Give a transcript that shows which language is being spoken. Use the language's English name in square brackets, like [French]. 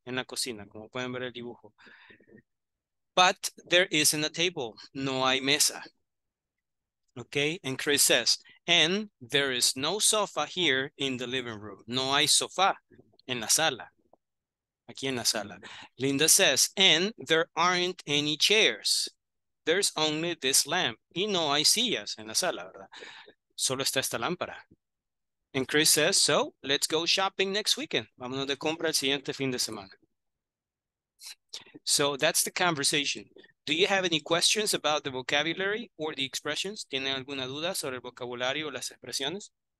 [Spanish] En la cocina, como pueden ver el dibujo. [English] But there isn't a table. [Spanish] No hay mesa. [English] Okay, and Chris says, and there is no sofa here in the living room. [Spanish] No hay sofá en la sala. Aquí en la sala. [English] Linda says, and there aren't any chairs. There's only this lamp. [Spanish] Y no hay sillas en la sala, ¿verdad? Solo está esta lámpara. [English] And Chris says, so let's go shopping next weekend. [Spanish] Vámonos de compra el siguiente fin de semana. [English] So that's the conversation. Do you have any questions about the vocabulary or the expressions? [Spanish] ¿Tienen alguna duda sobre el vocabulario o las expresiones?